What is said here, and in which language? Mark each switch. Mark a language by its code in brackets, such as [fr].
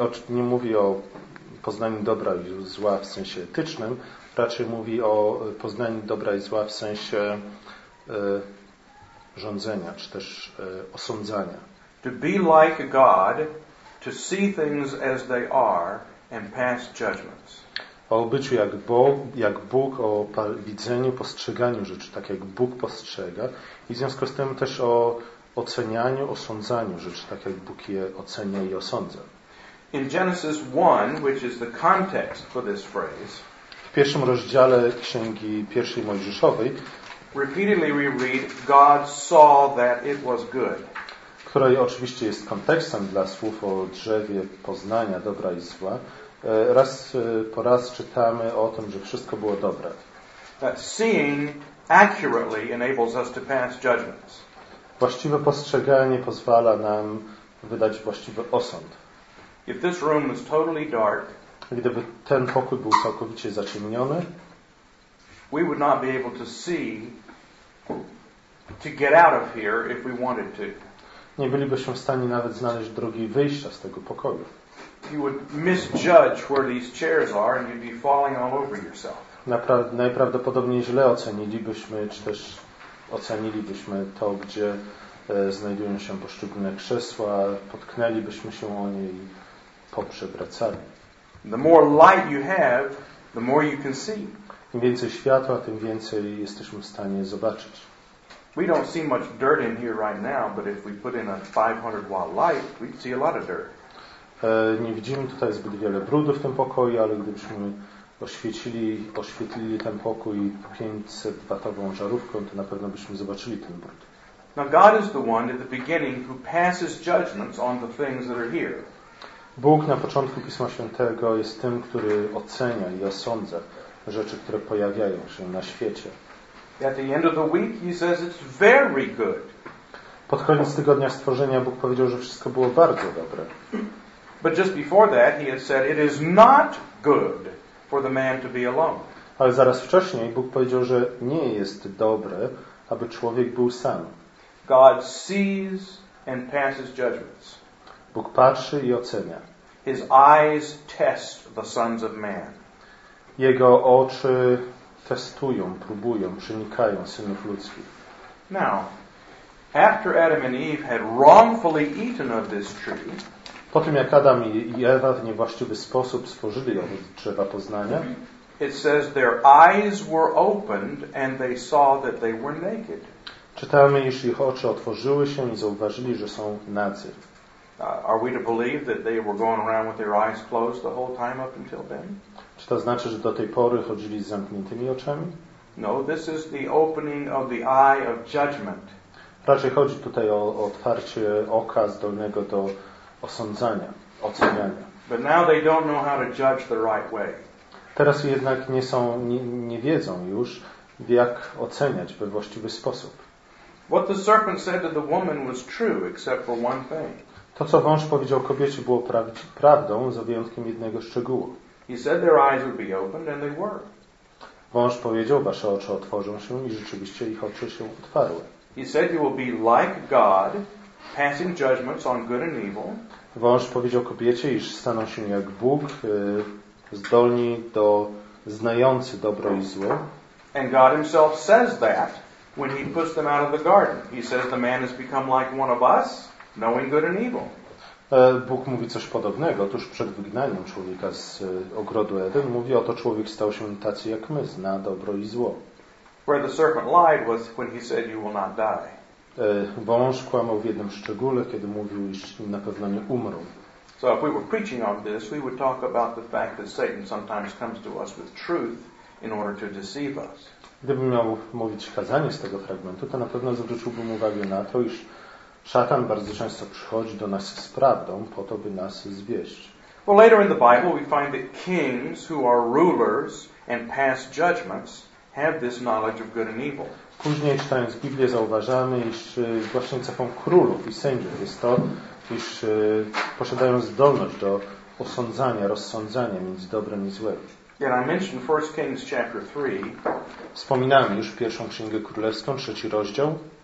[pl] Nie mówi o poznaniu dobra i zła w sensie etycznym, raczej mówi o poznaniu dobra i zła w sensie rządzenia, czy też osądzania. [en] To be like God, to see things as they are and pass judgments. [pl] O byciu jak Bóg, o widzeniu, postrzeganiu rzeczy, tak jak Bóg postrzega, i w związku z tym też o ocenianiu, osądzaniu rzeczy, tak jak Bóg je ocenia i osądza. [en] In Genesis 1, which is the context for this phrase, [pl] w pierwszym rozdziale Księgi Pierwszej Mojżeszowej, [en] repeatedly we read, God saw that it was good. [pl] Której oczywiście jest kontekstem dla słów o drzewie poznania dobra i zła, raz po raz czytamy o tym, że wszystko było dobre. [en] Seeing accurately enables us to pass judgments. [pl] Właściwe postrzeganie pozwala nam wydać właściwy osąd. [en] If this room was totally dark, [pl] gdyby ten pokój był całkowicie zaciemniony, [en] we would not be able to see to get out of here if we wanted to. [pl] Nie bylibyśmy w stanie nawet znaleźć drogi wyjścia z tego pokoju. [en] You would misjudge where these chairs are and you'd be falling all over yourself. [pl] Najprawdopodobniej źle ocenilibyśmy, czy też ocenilibyśmy to, gdzie znajdują się poszczególne krzesła, potknęlibyśmy się o nie i poprzewracali. [en] The more light you have, the more you can see. [pl] Im więcej światła, tym więcej jesteśmy w stanie zobaczyć. [en] We don't see much dirt in here right now, but if we put in a 500 watt light, we'd see a lot of dirt. [pl] Nie widzimy tutaj zbyt wiele brudu w tym pokoju, ale gdybyśmy oświetlili ten pokój 500 watową żarówką, to na pewno byśmy zobaczyli ten brud. [en] Now God is the one at the beginning who passes judgments on the things that are here. [pl] Bóg na początku Pisma Świętego jest tym, który ocenia i osądza rzeczy, które pojawiają się na świecie. [en] At the end of the week he says it's very good. [pl] Pod koniec tygodnia stworzenia Bóg powiedział, że wszystko było bardzo dobre. [en] But just before that he had said it is not good for the man to be alone. [pl] Ale zaraz wcześniej Bóg powiedział, że nie jest dobre, aby człowiek był sam. [en] God sees and passes judgments. [pl] Bóg patrzy i ocenia. [en] His eyes test the sons of man. [pl] Jego oczy testują, próbują, przenikają synów ludzkich. [en] Now, after Adam and Eve had wrongfully eaten of this tree, [pl] po tym jak Adam i Ewa w niewłaściwy sposób spożyli owoc drzewa poznania, [en] it says their eyes were opened and they saw that they were naked. [pl] Czytamy, iż ich oczy otworzyły się i zauważyli, że są nacy. [en] Are we to believe that they were going around with their eyes closed the whole time up until then? [pl] Czy to znaczy, że do tej pory chodzili z zamkniętymi oczami? [en] No, this is the opening of the eye of judgment. [pl] Raczej chodzi tutaj o otwarcie oka zdolnego do osądzania, oceniania. [en] But now they don't know how to judge the right way. [pl] Teraz jednak nie wiedzą już, jak oceniać we właściwy sposób. [en] What the serpent said to the woman was true, except for one thing. [pl] To, co wąż powiedział kobiecie, było prawdą, za wyjątkiem jednego szczegółu. [en] He said their eyes would be opened, and they were. [pl] Wąż powiedział, wasze oczy otworzą się i rzeczywiście ich oczy się otwarły. [en] He said you will be like God, passing judgments on good and evil. [pl] Wąż powiedział kobiecie, iż staną się jak Bóg, zdolni do znający dobro i zło. [en] And God himself says that when he puts them out of the garden. He says the man has become like one of us, knowing good and evil. [pl] Bóg mówi coś podobnego tuż przed wygnaniem człowieka z ogrodu Eden. Mówi, oto człowiek stał się tacy jak my, zna dobro i zło. [en] Where the serpent lied was when he said you will not die. [pl] Wąż kłamał w jednym szczególe, kiedy mówił, iż na pewno nie umrą. [en] So if we were preaching on this, we would talk about the fact that Satan sometimes comes to us with truth in order to deceive us. [pl] Gdybym miał mówić kazanie z tego fragmentu, to na pewno zwróciłbym uwagę na to, iż szatan bardzo często przychodzi do nas z prawdą po to, by nas zwieść. [en] Well, later in the Bible we find that kings who are rulers and pass judgments have this knowledge of good and evil. [pl] Później czytając Biblię zauważamy, iż właśnie cechą królów i sędziów jest to, iż posiadają zdolność do osądzania, rozsądzania między dobrym i złem. [en] And I mentioned 1 Kings chapter 3. [pl] Wspominałem już pierwszą księgę królewską, trzeci rozdział,